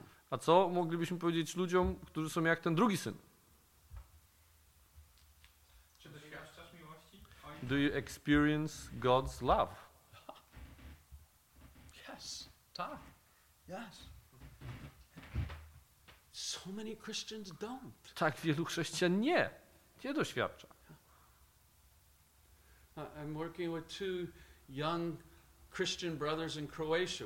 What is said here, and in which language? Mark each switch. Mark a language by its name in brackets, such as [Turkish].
[Polish] A co moglibyśmy powiedzieć ludziom, którzy są jak ten drugi syn? Czy doświadczasz miłości? [English] Do you experience God's love? Yes, [Polish] tak. [English] Yes. So many Christians don't. [Polish] Tak wielu chrześcijan nie doświadcza. [English] I'm working with two young Christian brothers in Croatia.